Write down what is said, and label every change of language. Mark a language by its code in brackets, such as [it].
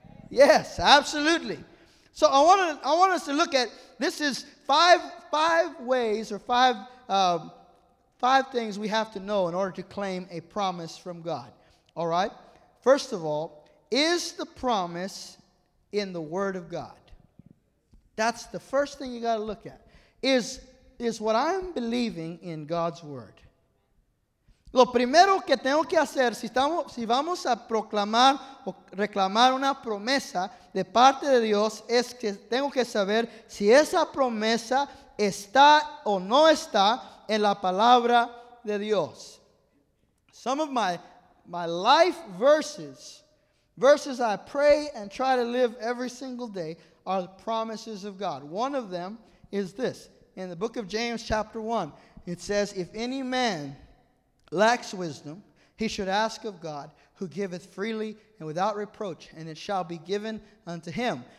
[en] Yes, absolutely. So I want us to look at, this is five things we have to know in order to claim a promise from God. All right? First of all, is the promise in the Word of God? That's the first thing you got to look at. Is what I'm believing in God's Word? [es] Lo primero que tengo que hacer si vamos a proclamar o reclamar una promesa de parte de Dios es que tengo que saber si esa promesa está o no está en la palabra de Dios. [en] Some of my life verses I pray and try to live every single day are the promises of God. One of them is this. In the book of James chapter 1, it says, if any man lacks wisdom, he should ask of God, who giveth freely and without reproach, and it shall be given unto him.